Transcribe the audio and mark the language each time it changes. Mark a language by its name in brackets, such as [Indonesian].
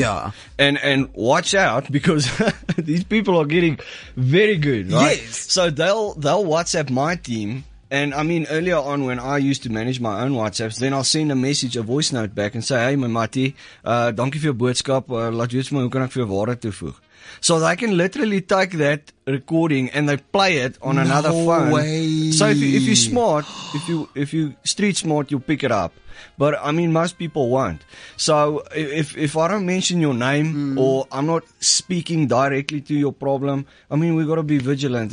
[English] Yeah. And watch out, because these people are getting very good, right? Yes. So they'll WhatsApp my team. And I mean, earlier on when I used to manage my own WhatsApps, then I'll send a message, a voice note back and say, hey, my matty, [Afrikaans] dankie vir jou boodskap. Laat weet vir my, hoe kan ek vir jou waarde toevoeg? [English] So they can literally take that recording and they play it on another phone. No way. So if you're smart, if you street smart, you'll pick it up. But I mean, most people won't. So if I don't mention your name or I'm not speaking directly to your problem, I mean, we've got to be vigilant.